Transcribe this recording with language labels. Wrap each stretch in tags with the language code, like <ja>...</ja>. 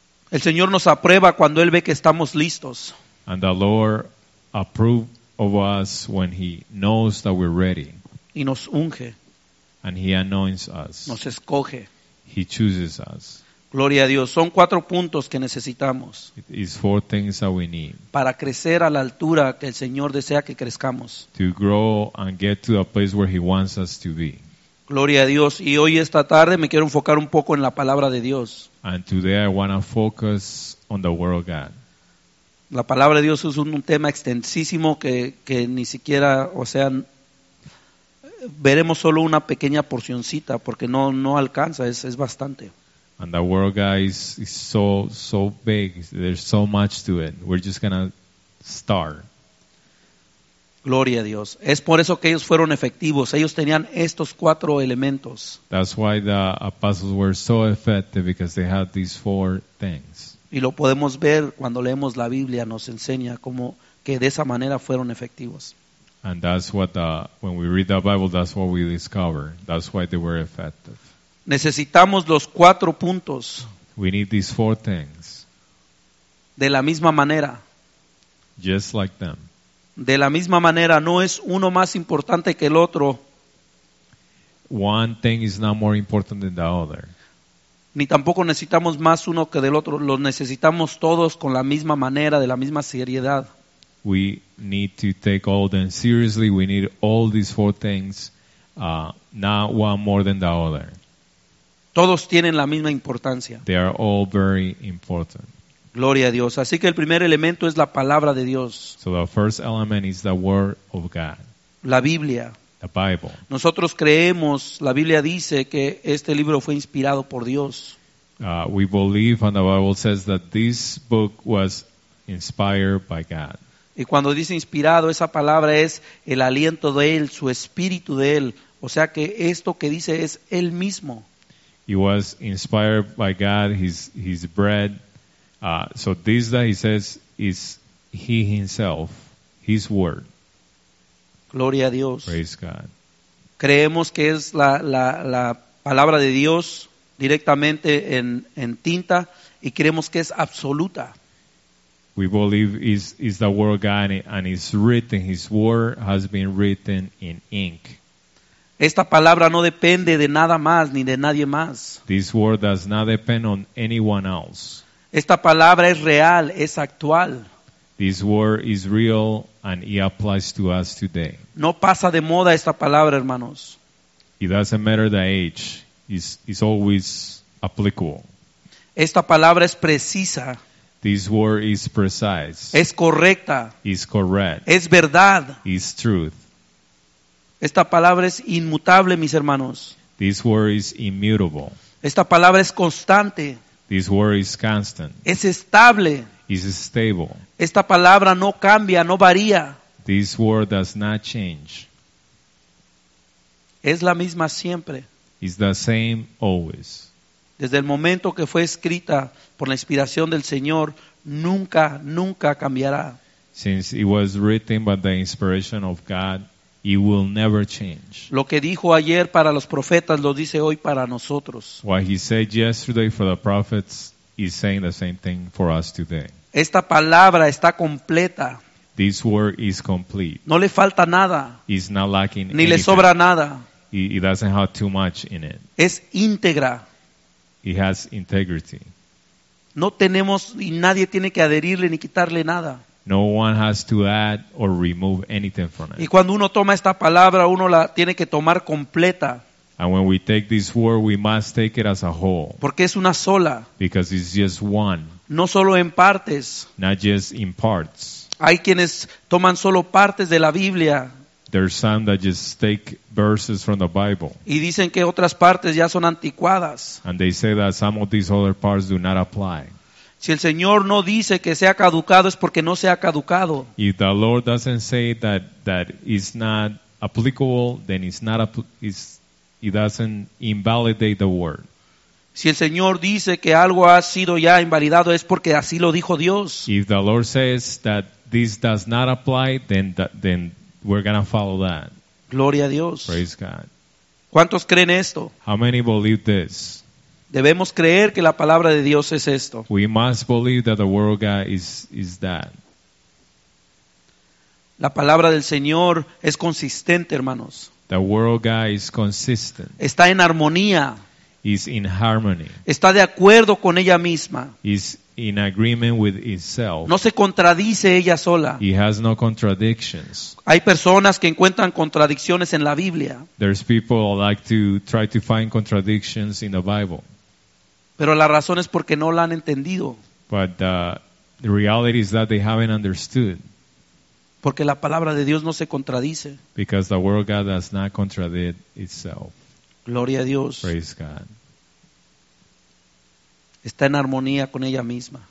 <es>El Señor nos aprueba cuando Él ve que estamos listos.</es> <en>And the Lord approves of us when He knows that we're ready.</en> <es>Y nos unge.</es> <en>And He anoints us.</en> <es>Nos escoge.</es> <en>He chooses us.</en> <es>Gloria a Dios. Son cuatro puntos que necesitamos.</es> <en>It's four things that we need.</en> <es>Para crecer a la altura que el Señor desea que crezcamos.</es> <en>To grow and get to a place where He wants us to be.</en> <es>Gloria a Dios. Y hoy esta tarde me quiero enfocar un poco en la palabra de Dios.</es> <en>And today I want to focus on the Word of God.</en> <es>La palabra de Dios es un tema extensísimo que ni siquiera, o sea, veremos solo una pequeña porcioncita porque no alcanza, es bastante.</es> <en>And the Word of God is so big. There's so much to it. We're just going to start.</en> <es>Gloria a Dios. Es por eso que ellos fueron efectivos. Ellos tenían estos cuatro elementos.</es> <en>That's why the apostles were so effective because they had these four things.</en> <es>Y lo podemos ver cuando leemos la Biblia, nos enseña cómo que de esa manera fueron efectivos.</es> <en>And that's what when we read the Bible, that's what we discover. That's why they were effective.</en> <es>Necesitamos los cuatro puntos.</es> <en>We need these four things.</en> <es>De la misma manera.</es> <en>Just like them.</en> <es>De la misma manera, no es uno más importante que el otro.</es> <en>One thing is not more important than the other.</en> <es>Ni tampoco necesitamos más uno que del otro. Los necesitamos todos con la misma manera, de la misma seriedad.</es> <en>We need to take all of them seriously. We need all these four things, not one more than the other.</en> <es>Todos tienen la misma importancia.</es> <en>They are all very important.</en> <es>Gloria a Dios. Así que el primer elemento es la palabra de Dios.</es> <en>So the first element is the word of God.</en> <es>La Biblia.</es> <en>The Bible.</en> <es>Nosotros creemos, la Biblia dice que este libro fue inspirado por Dios.</es> <en>We believe and the Bible says that this book was inspired by God.</en> <es>Y cuando dice inspirado, esa palabra es el aliento de Él, su espíritu de Él. O sea que esto que dice es Él mismo.</es> <en>He was inspired by God, his breath. So this that he says is he himself, his word.</en> <es>Gloria a Dios.</es> <en>Praise God.</en> <es>Creemos que es la palabra de Dios directamente en tinta y creemos que es absoluta.</es> <en>We believe is the word of God and it's written, his word has been written in ink.</en> <es>Esta palabra no depende de nada más ni de nadie más.</es> <en>This word does not depend on anyone else.</en> <es>Esta palabra es real, es actual.</es> <en>This word is real and it applies to us today.</en> <es>No pasa de moda esta palabra, hermanos.</es> <en>It doesn't matter the age. It's always applicable.</en> <es>Esta palabra es precisa.</es> <en>This word is precise.</en> <es>Es correcta.</es> <en>It's correct.</en> <es>Es verdad.</es> <en>It's truth.</en> <es>Esta palabra es inmutable, mis hermanos.</es> <en>This word is immutable.</en> <es>Esta palabra es constante.</es> <en>This word is constant.</en> <es>Es estable.</es> <en>It's stable.</en> <es>Esta palabra no cambia, no varía.</es> <en>This word does not change.</en> <es>Es la misma siempre.</es> <en>It's the same always.</en> <es>Desde el momento que fue escrita por la inspiración del Señor, nunca, nunca cambiará.</es> <en>Since it was written by the inspiration of God, it will never change.</en> <es>Lo que dijo ayer para los profetas lo dice hoy para nosotros.</es> <en>What he said yesterday for the prophets is saying the same thing for us today.</en> <es>Esta palabra está completa.</es> <en>This word is complete.</en> <es>No le falta nada.</es> <en>It's not lacking</en> <es>ni</es> <en>anything.</en> <es>Le sobra nada.</es> <en>It doesn't have too much in it.</en> <es>Es íntegra.</es> <en>It has integrity.</en> <es>No tenemos y nadie tiene que adherirle ni quitarle nada.</es> <en>No one has to add or remove anything from it.</en> <es>Y cuando uno toma esta palabra, uno la tiene que tomar completa.</es> <en>And when we take this word, we must take it as a whole.</en> <es>Porque es una sola.</es> <en>Because it's just one.</en> <es>No solo en partes.</es> <en>Not just in parts.</en> <es>Hay quienes toman solo partes de la Biblia.</es> <en>There's some that just take verses from the Bible.</en> <es>Y dicen que otras partes ya son anticuadas.</es> <en>And they say that some of these other parts do not apply.</en> <es>Si el Señor no dice que sea caducado, es porque no se ha caducado.</es> <en>If the Lord doesn't say that it's not applicable, then it's not it doesn't invalidate the word.</en> <es>Si el Señor dice que algo ha sido ya invalidado, es porque así lo dijo Dios.</es> <en>If the Lord says that this does not apply, then we're gonna follow that.</en> <es>Gloria a Dios.</es> <en>Praise God.</en> <es>¿Cuántos creen esto?</es> <en>How many believe this?</en> <es>Debemos creer que la palabra de Dios es esto.</es> <en>We must believe that the word of God is that.</en> <es>La palabra del Señor es consistente, hermanos.</es> <en>The word of God is consistent.</en> <es>Está en armonía.</es> <en>Is in harmony.</en> <es>Está de acuerdo con ella misma.</es> <en>Is in agreement with itself.</en> <es>No se contradice ella sola.</es> <en>It has no contradictions.</en> <es>Hay personas que encuentran contradicciones en la Biblia.</es> <en>There's people who like to try to find contradictions in the Bible.</en> <es>Pero la razón es porque no la han entendido.</es> <en>But the reality is that they haven't understood.</en> <es>Porque la palabra de Dios no se contradice.</es> <en>Because the word of God does not contradict itself.</en> <es>Gloria a Dios.</es> <en>Praise God.</en> <es>Está en armonía con ella misma.</es>